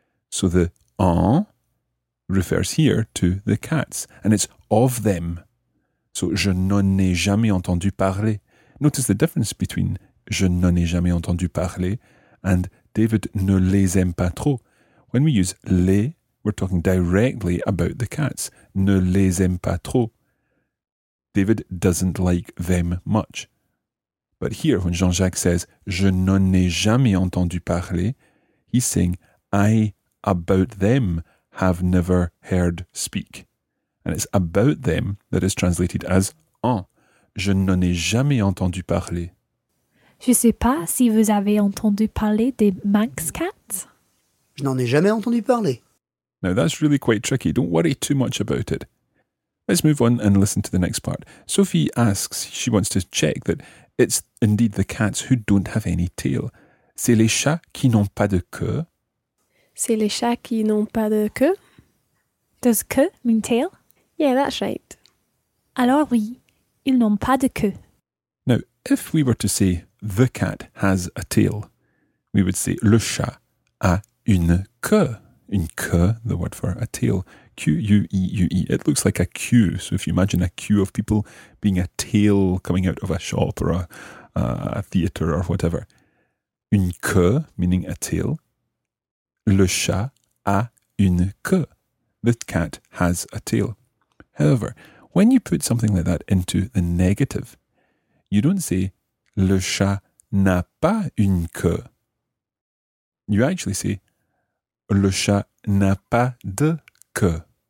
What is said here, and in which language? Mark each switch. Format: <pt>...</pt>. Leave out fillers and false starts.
<en>So the en refers here to the cats, and it's of them. So</en> <fr>je n'en ai jamais entendu parler.</fr> <en>Notice the difference between</en> <fr>je n'en ai jamais entendu parler and David ne les aime pas trop.</fr> <en>When we use les, we're talking directly about the cats.</en> <fr>Ne les aime pas trop.</fr> <en>David doesn't like them much. But here, when Jean-Jacques says,</en> <fr>je n'en ai jamais entendu parler,</fr> <en>he's saying, I, about them, have never heard speak. And it's about them that is translated as en.</en> <fr>Je n'en ai jamais entendu parler. Je ne sais pas si vous avez entendu parler des Manx cats. Je n'en ai jamais entendu parler.</fr> <en>Now that's really quite tricky. Don't worry too much about it. Let's move on and listen to the next part. Sophie asks, she wants to check that it's indeed the cats who don't have any tail.</en> <fr>C'est les chats qui n'ont pas de queue. C'est les chats qui n'ont pas de queue.</fr> <en>Does queue mean tail? Yeah, that's right.</en> <fr>Alors oui, ils n'ont pas de queue.</fr> <en>Now, if we were to say the cat has a tail, we would say</en> <fr>le chat a une queue. Une queue,</fr> <en>the word for a tail. Q-U-E-U-E. It looks like a queue. So if you imagine a queue of people being a tail coming out of a shop or a theatre or whatever.</en> <fr>Une queue,</fr> <en>meaning a tail.</en> <fr>Le chat a une queue.</fr> <en>The cat has a tail. However, when you put something like that into the negative, you don't say</en> <fr>le chat n'a pas une queue.</fr> <en>You actually say</en> <fr>le chat n'a pas de queue.</fr>